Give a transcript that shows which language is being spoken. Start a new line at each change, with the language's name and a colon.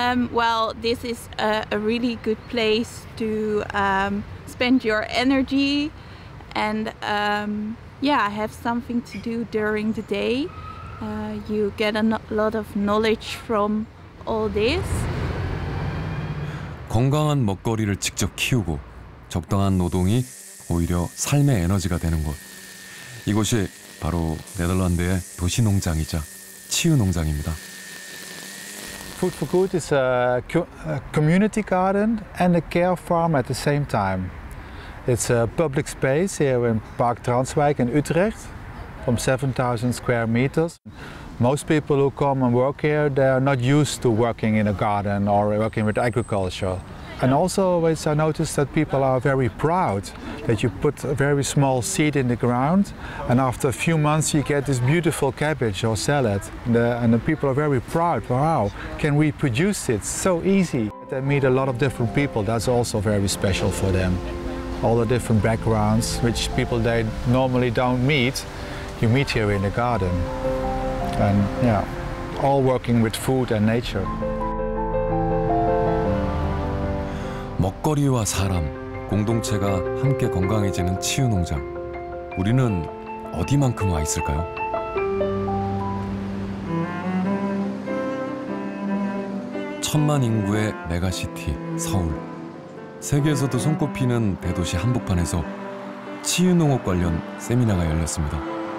English: Well, this is a really good place to spend your energy and yeah, I have something to do during the day. You get a lot of knowledge from all this.
Korean: 건강한 먹거리를 직접 키우고 적당한 노동이 오히려 삶의 에너지가 되는 곳. 이곳이 바로 네덜란드의 도시 농장이자 치유 농장입니다.
English: Food for Good is a community garden and a care farm at the same time. It's a public space here in Park Transwijk in Utrecht, from 7,000 square meters. Most people who come and work here, they are not used to working in a garden or working with agriculture. And also, I noticed that people are very proud that you put a very small seed in the ground, and after a few months, you get this beautiful cabbage or salad. And the people are very proud. Wow, can we produce it? So easy. They meet a lot of different people. That's also very special for them. all the different backgrounds which people they normally don't meet, you meet here in the garden. And yeah, all working with food and nature.
Korean: 먹거리와 사람, 공동체가 함께 건강해지는 치유농장. 우리는 어디만큼 와 있을까요? 천만 인구의 메가시티 서울. 세계에서도 손꼽히는 대도시 한복판에서 치유농업 관련 세미나가 열렸습니다.